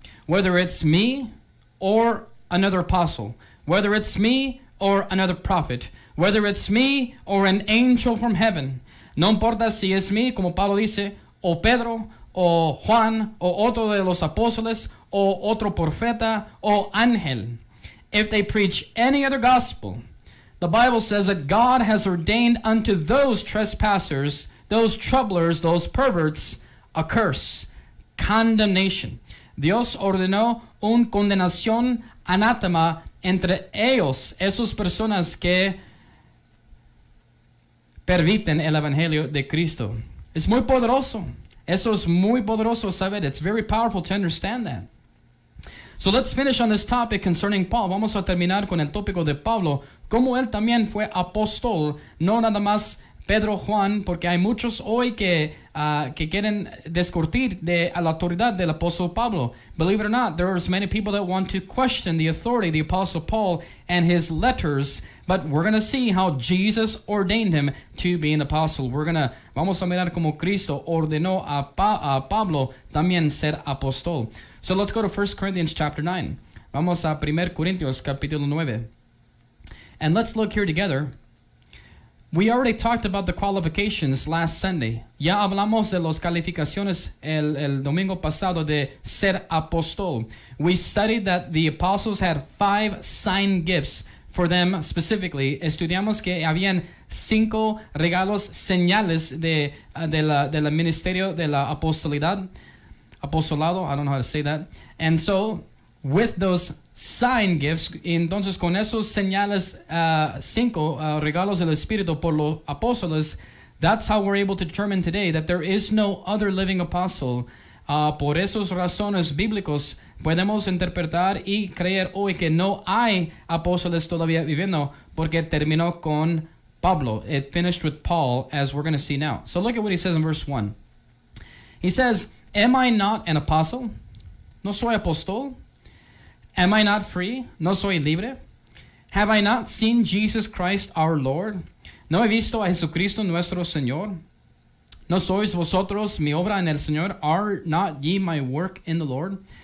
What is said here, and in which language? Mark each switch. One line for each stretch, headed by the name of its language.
English: Whether it's me or another apostle, whether it's me or another prophet, whether it's me or an angel from heaven,
Spanish: no importa si es mí, como Pablo dice, o Pedro, o Juan, o otro de los apóstoles, o otro profeta, o ángel.
English: If they preach any other gospel, the Bible says that God has ordained unto those trespassers, those troublers, those perverts, a curse, condemnation.
Spanish: Dios ordenó un condenación anátema entre ellos, esas personas que perviten el evangelio de Cristo. Es muy poderoso. Eso es muy poderoso saber.
English: It's very powerful to understand that. So let's finish on this topic concerning Paul.
Spanish: Vamos a terminar con el tópico de Pablo. Como él también fue apóstol, no nada más Pedro, Juan, porque hay muchos hoy que quieren discutir de a la autoridad del apóstol Pablo.
English: Believe it or not, there are many people that want to question the authority of the apostle Paul and his letters, but we're going to see how Jesus ordained him to be an apostle.
Spanish: Vamos a mirar cómo Cristo ordenó a Pablo también ser apóstol.
English: So let's go to 1 Corinthians chapter 9.
Spanish: Vamos a 1 Corintios capítulo 9.
English: And let's look here together. We already talked about the qualifications last Sunday.
Spanish: Ya hablamos de las calificaciones el domingo pasado de ser apóstol.
English: We studied that the apostles had 5 sign gifts for them specifically.
Spanish: Estudiamos que habían 5 regalos señales de la ministerio de la apostolidad.
English: Apostolado, I don't know how to say that. And so, with those sign gifts,
Spanish: entonces con esos señales, 5 regalos del Espíritu por los apóstoles,
English: that's how we're able to determine today that there is no other living apostle.
Spanish: Por esas razones bíblicos, podemos interpretar y creer hoy que no hay apóstoles todavía viviendo, porque terminó con Pablo.
English: It finished with Paul, as we're going to see now. So look at what he says in verse 1. He says, am I not an apostle?
Spanish: No soy apóstol.
English: Am I not free?
Spanish: No soy libre.
English: Have I not seen Jesus Christ our Lord?
Spanish: No he visto a Jesucristo nuestro Señor. No sois vosotros mi obra en el Señor.
English: Are not ye my work in the Lord?